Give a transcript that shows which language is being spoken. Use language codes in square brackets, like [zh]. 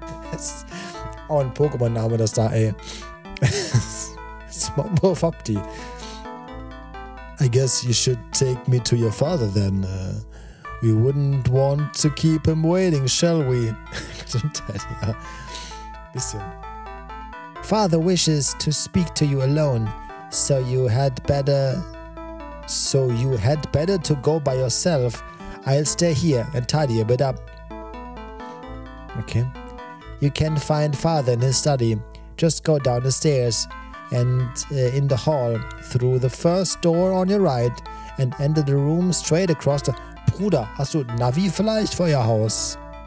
[de] Das ist auch ein Pokémon-Name, das da, ey. Smombo Fabti. [en] I guess you should take me to your father then. We wouldn't want to keep him waiting, shall we? Daddy, [de] ja. Bisschen. [en] Father wishes to speak to you alone, so you had better to go by yourself. I'll stay here and tidy a bit up. Okay. You can find Father in his study. Just go down the stairs and in the hall through the first door on your right and enter the room straight across the... [de] Bruder, hast du Navi vielleicht vor ihr Haus?